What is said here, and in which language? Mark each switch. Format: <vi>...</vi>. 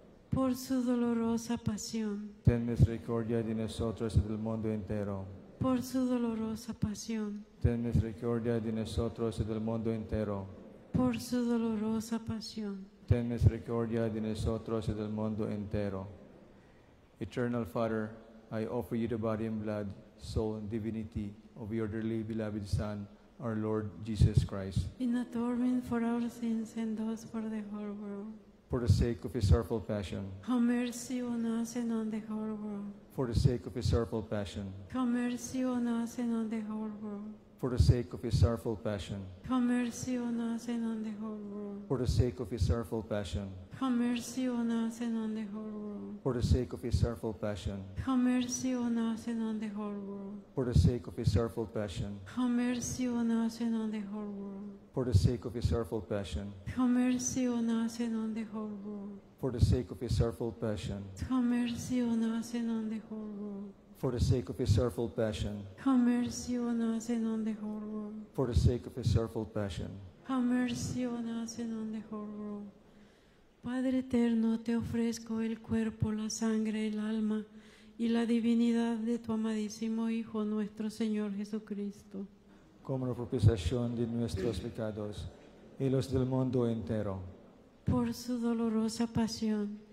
<es>Por su dolorosa pasión, ten misericordia de nosotros y del mundo entero. Por su dolorosa pasión, ten misericordia de nosotros y del mundo entero. Por su dolorosa pasión, ten misericordia de nosotros y del mundo entero.</es> <en>Eternal Father, I offer you the body and blood, soul and divinity of your dearly beloved Son, our Lord Jesus Christ, in atonement for our sins and those for the whole world. For the sake of his sorrowful passion, have mercy on us and on the whole world. For the sake of his sorrowful passion, have mercy on us and on the whole world. For the sake of his sorrowful passion, have mercy on us and on the whole world. For the sake of his sorrowful passion, have mercy on us and on the whole world. For the sake of his sorrowful passion, have mercy on us and on the whole world. For the sake of his sorrowful passion, have mercy on us and on the whole world. For the sake of his sorrowful passion. Have mercy on us and on the whole world. For the sake of his sorrowful passion. Have mercy on us and on the whole world. For the sake of his sorrowful passion. Have mercy on us and on the whole world. For the sake of his sorrowful passion. Have mercy on us and on the whole world.</en> <es>Padre eterno, te ofrezco el cuerpo, la sangre, el alma y la divinidad de tu amadísimo Hijo, nuestro Señor Jesucristo. Como la propiciación de nuestros pecados y los del mundo entero. Por su dolorosa pasión.</es>